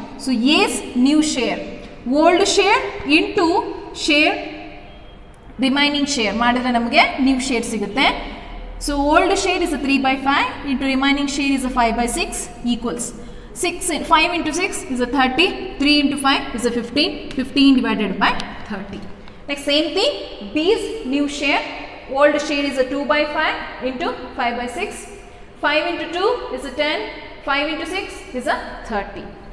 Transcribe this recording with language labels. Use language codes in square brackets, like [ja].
[en] So A's new share, old share into share, remaining share. [kn] ಮಾಡಿದ್ರೆ ನಮಗೆ [en] new share [kn] ಸಿಗುತ್ತೆ. [en] So old share is a 3/5 into remaining share is a 5/6 equals 5 × 6 = 30, 3 × 5 = 15, 15 / 30. Next same thing, B's new share, old share is a 2/5 × 5/6, 5 × 2 = 10, 5 × 6 = 30.